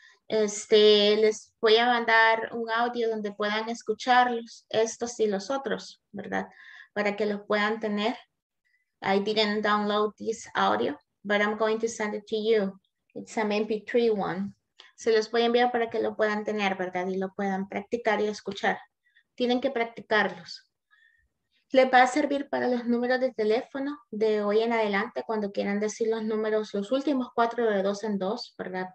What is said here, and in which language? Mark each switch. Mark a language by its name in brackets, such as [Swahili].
[Spanish] Les voy a mandar un audio donde puedan escucharlos, estos y los otros, ¿verdad? Para que los puedan tener. [English] I didn't download this audio, but I'm going to send it to you. It's an MP3 one. [Spanish] Se los voy a enviar para que lo puedan tener, ¿verdad? Y lo puedan practicar y escuchar. Tienen que practicarlos. Les va a servir para los números de teléfono de hoy en adelante cuando quieran decir los números, los últimos cuatro de dos en dos, ¿verdad?